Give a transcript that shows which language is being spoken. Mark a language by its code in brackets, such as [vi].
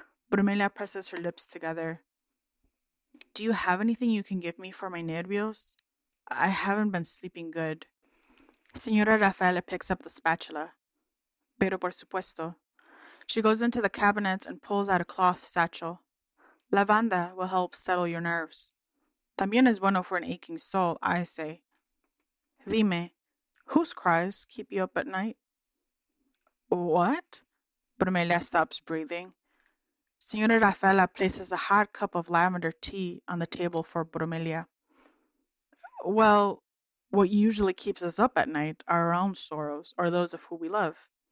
[en] Bromelia presses her lips together. Do you have anything you can give me for my [es] nervios? [en] I haven't been sleeping good. Señora Rafaela picks up the spatula. [es] Pero por supuesto. [en] She goes into the cabinets and pulls out a cloth satchel. Lavanda will help settle your nerves. [es] También es bueno [en] for an aching soul, I say. [es] Dime, [en] whose cries keep you up at night? What? Bromelia stops breathing. Señora Rafaela places a hot cup of lavender tea on the table for Bromelia. Well, what usually keeps us up at night are our own sorrows or those of who we love.